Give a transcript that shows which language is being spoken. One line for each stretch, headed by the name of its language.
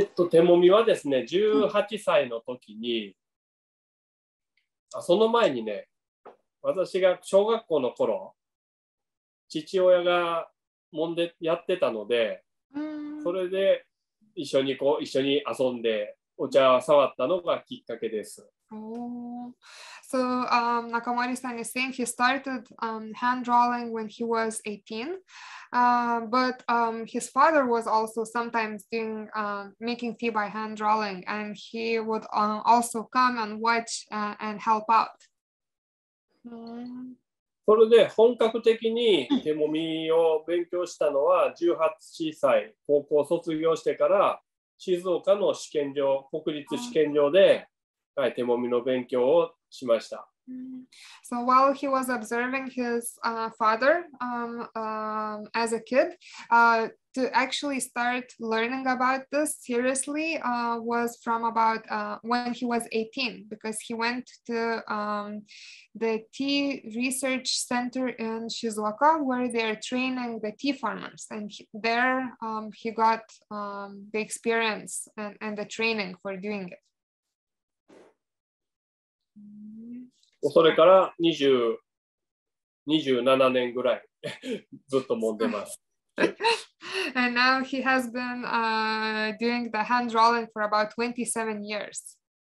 Japanese: 手もみはですね、18歳の時に、その前にね、私が小学校の頃、父親がもんでやってたので、それで一緒に遊んで、お茶を触ったのがきっかけです。
English: So Nakamori-san is saying he started hand drawing when he was 18, but his father was also sometimes doing making tea by hand drawing, and he would also come and watch and help out.
Japanese: それで本格的に手もみを勉強したのは18歳、高校卒業してから静岡の試験場、国立試験場で。はい、手もみの勉強をしました。
English: So while he was observing his father as a kid, to actually start learning about this seriously was from about when he was 18, because he went to the tea research center in Shizuoka, where they are training the tea farmers. And there he got the experience and the training for doing it.
Japanese: それから27年ぐらいずっと揉んでます。
English: And now he has been doing the hand drawing for about 27 years.